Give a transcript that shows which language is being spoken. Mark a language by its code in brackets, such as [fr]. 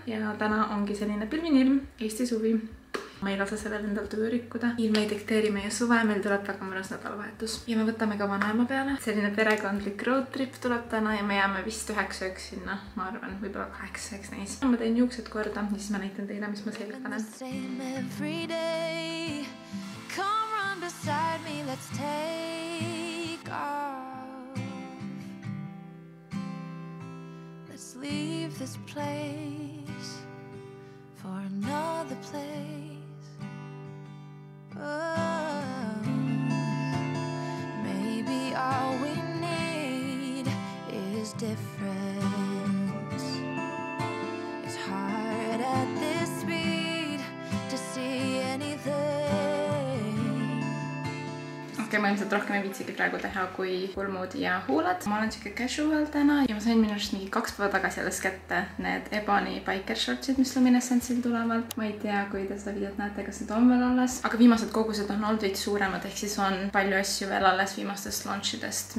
[et] Ja täna ongi selline pilvinilm, Eesti suvi. Ma ei lase sellel endal töö rikkuda. Ilm ei dikteeri meie suve, meil tuleb väga mõnus nädalavahetus. Ja me võtame ka vanaema peale. Selline perekondlik road trip tuleb täna ja me jääme vist 9-1 sinna, ma arvan. Võibolla 8-1 näis. Ma teen juuksed korda, siis ma näitan teile, mis ma selga panen. [en] Come run beside me, let's take off. Let's leave this place for another place. Maybe all we need is difference. It's hard at this speed to see anything. [et] Okei, ma ilmselt rohkem ei viitsigi praegu teha kui kulmoodi ja huulad. Ma olen siuke casual täna ja ma sain minu arust mingi 2 päeva tagasi alles kätte need Ebony biker shortsid, mis Luminescentsil tulevad. Ma ei tea, kui te seda videot näete, kas need on veel alles. Aga viimased kogused on olnud veid suuremad, ehk siis on palju asju veel alles viimastest launchidest.